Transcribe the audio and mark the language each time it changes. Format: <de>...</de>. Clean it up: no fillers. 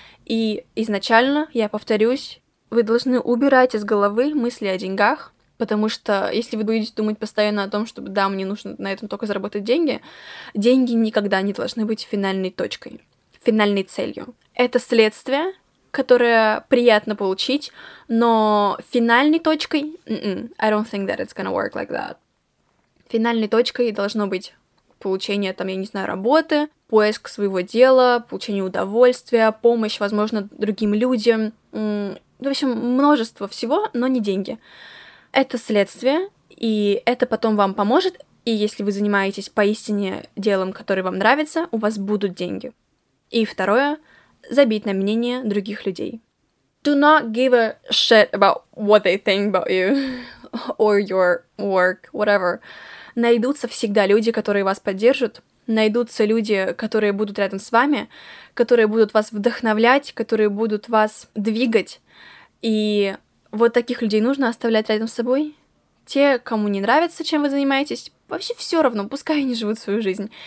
<ru>И изначально, я повторюсь, вы должны убирать из головы мысли о деньгах, потому что если вы будете думать постоянно о том, что да, мне нужно на этом только заработать деньги, деньги никогда не должны быть финальной точкой, финальной целью. Это следствие, которое приятно получить, но финальной точкой...</ru> <en>I don't think that it's gonna work like that.</en> <ru>Финальной точкой должно быть получение, там, я не знаю, работы, поиск своего дела, получение удовольствия, помощь, возможно, другим людям. В общем, множество всего, но не деньги. это следствие, и это потом вам поможет, и если вы занимаетесь поистине делом, которое вам нравится, у вас будут деньги. И второе — забить на мнение других людей.</ru> <en>Do not give a shit about what they think about you or your work, whatever.</en> <ru>Найдутся всегда люди, которые вас поддержат, найдутся люди, которые будут рядом с вами, которые будут вас вдохновлять, которые будут вас двигать. И вот таких людей нужно оставлять рядом с собой. Те, кому не нравится, чем вы занимаетесь, вообще все равно, пускай они живут свою жизнь.</ru>